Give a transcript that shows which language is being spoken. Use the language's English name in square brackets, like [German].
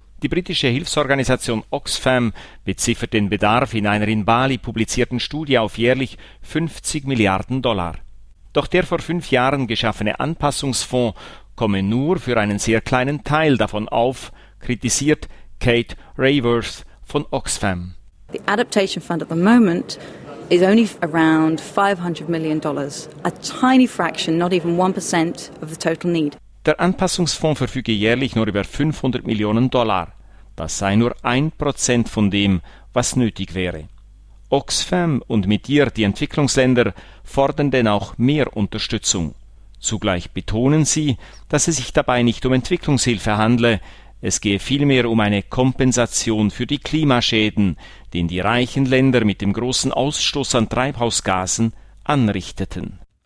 [German] Die britische Hilfsorganisation Oxfam beziffert den Bedarf in einer in Bali publizierten Studie auf jährlich 50 Milliarden Dollar. Doch der vor 5 Jahren geschaffene Anpassungsfonds komme nur für einen sehr kleinen Teil davon auf, kritisiert Kate Raworth von Oxfam. [English] The Adaptation Fund at the moment is only around $500 million, a tiny fraction, not even 1% of the total need. [German] Der Anpassungsfonds verfüge jährlich nur über $500 Millionen. Das sei nur 1% von dem, was nötig wäre. Oxfam und mit ihr die Entwicklungsländer fordern denn auch mehr Unterstützung. Zugleich betonen sie, dass es sich dabei nicht um Entwicklungshilfe handle, es gehe vielmehr um eine Kompensation für die Klimaschäden, den die reichen Länder mit dem großen Ausstoß an Treibhausgasen anrichteten.